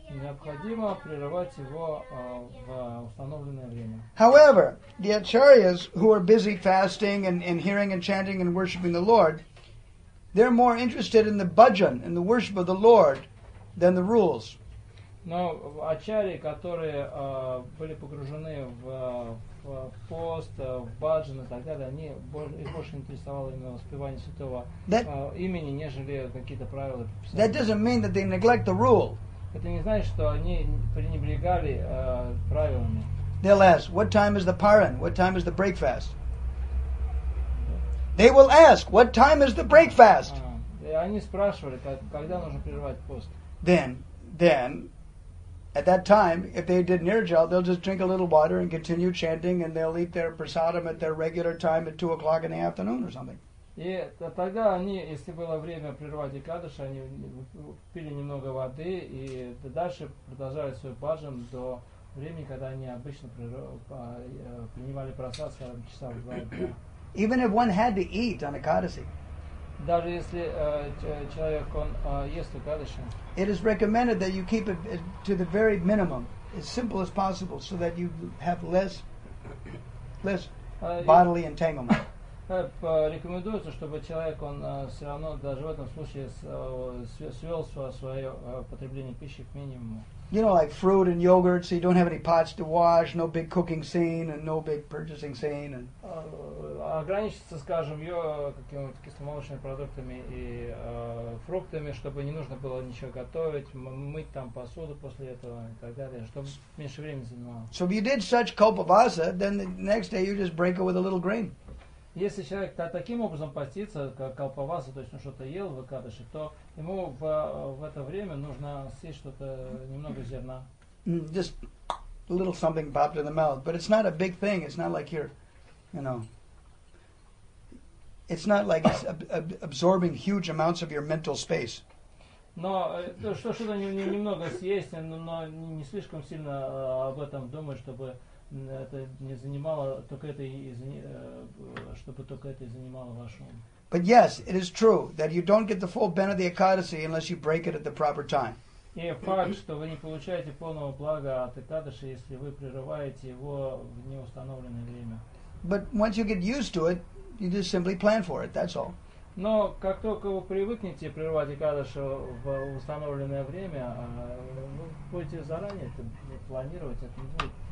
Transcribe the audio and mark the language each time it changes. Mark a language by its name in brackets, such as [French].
[Russian] Необходимо прерывать его в установленное время. [English] However, the acharyas who are busy fasting and hearing and chanting and worshiping the Lord, they're more interested in the bhajan, in the worship of the Lord, than the rules. [Russian] Но ачари, которые были погружены в пост, в баджан и так далее, они их больше интересовало именно воспевание святого имени, нежели какие-то правила. [English] That doesn't mean that they neglect the rule. [Russian] Это не значит, что они пренебрегали правилами. [English] They'll ask, what time is the paran? What time is the breakfast? They will ask, what time is the breakfast? [Russian] Они спрашивали, когда нужно прерывать пост. [English] Then, at that time, if they did nirjal, they'll just drink a little water and continue chanting, and they'll eat their prasadam at their regular time at 2 o'clock in the afternoon or something. [Russian] И тогда они, если было время прерывать экадаши, они пили немного воды и дальше продолжали свой баджан до времени, когда они обычно принимали прасад, скажем, часа в 2 дня. [English] Even if one had to eat on Ekadasi, [Russian] даже если человек он ест Ekadasi, [English] it is recommended that you keep it to the very minimum, as simple as possible, so that you have less bodily entanglement. [Russian] Рекомендуется, чтобы человек он все равно даже в этом случае свел свое потребление пищи к минимуму. [English] You know, like fruit and yogurt, so you don't have any pots to wash, no big cooking scene, and no big purchasing scene. And [Russian] ограничиться, скажем, какими-то кисломолочными продуктами и фруктами, чтобы не нужно было ничего готовить, мыть там посуду после этого и так далее, чтобы меньше времени занимало. [English] So if you did such kalpavasa, then the next day you just break it with a little grain. [Russian] Если человек таким образом постится, как калпаваса, то есть он что-то ел в экадаши, то ему в это время нужно съесть что-то, немного зерна. [English] Just a little something popped in the mouth. But it's not a big thing. It's not like you're, you know, it's not like it's absorbing huge amounts of your mental space. [Russian] Но что-то немного съесть, но не слишком сильно об этом думать, чтобы это не занимало, только это и чтобы только это и занимало ваш ум. [English] But yes, it is true that you don't get the full benefit of the Ekadasi unless you break it at the proper time. [Russian] И факт, что вы не получаете полного блага от Экадаши, если вы прерываете его в неустановленное время. [English] But once you get used to it, you just simply plan for it, that's all. [Russian] Но как только вы привыкнете прерывать Экадаши в установленное время, вы будете заранее это планировать, это не будет.